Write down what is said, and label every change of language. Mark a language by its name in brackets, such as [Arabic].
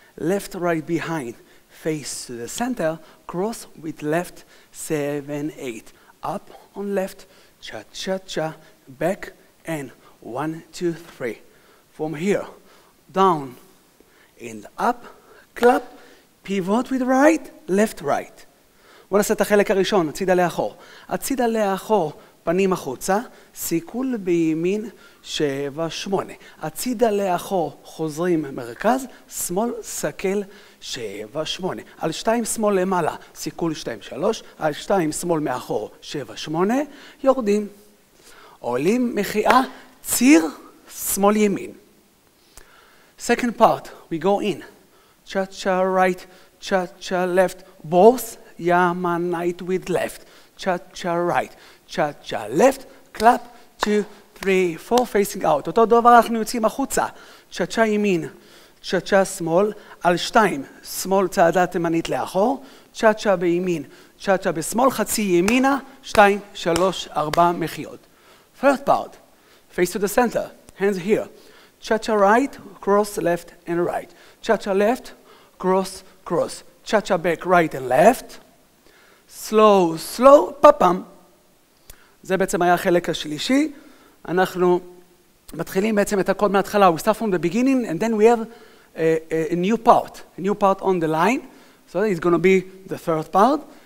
[English] Left, right, behind, face to the center, cross with left, 7, 8. Up on left, cha-cha-cha, back, and 1, 2, 3. From here, down and up, clap, pivot with right, left, right. [Hebrew] בוא נעשה את החלק הראשון, הצידה לאחור. הצידה לאחור, פנים החוצה, סיכול בימין, 7, 8. הצידה לאחור, חוזרים מרכז, שמאל, סכל, 7, 8. על 2 שמאל למעלה, סיכול 2, 3. על 2 שמאל מאחור, 7, 8. יורדים. עולים, מחיאה, ציר, שמאל ימין. [English] Second part, we go in. Cha-cha right, cha-cha left, both Yamanite with left. Cha-cha right, cha-cha left, clap, 2, 3, 4, facing out. [Hebrew] אותו דבר אנחנו יוצאים החוצה. Cha-cha ימין, cha-cha שמאל, על 2, שמאל צעדה תימנית לאחור. Cha-cha בימין, cha-cha בשמאל, חצי ימינה, 2, 3, 4 מחיות. [English] Third part, face to the center, hands here. Cha-cha right, cross left and right. Cha-cha left, cross, cross. Cha-cha back, right and left. Slow, slow, pa-pam. [Hebrew] זה בעצם היה החלק השלישי. אנחנו מתחילים בעצם את הכל מההתחלה. [English] We start from the beginning and then we have a new part on the line. So it's going to be the third part.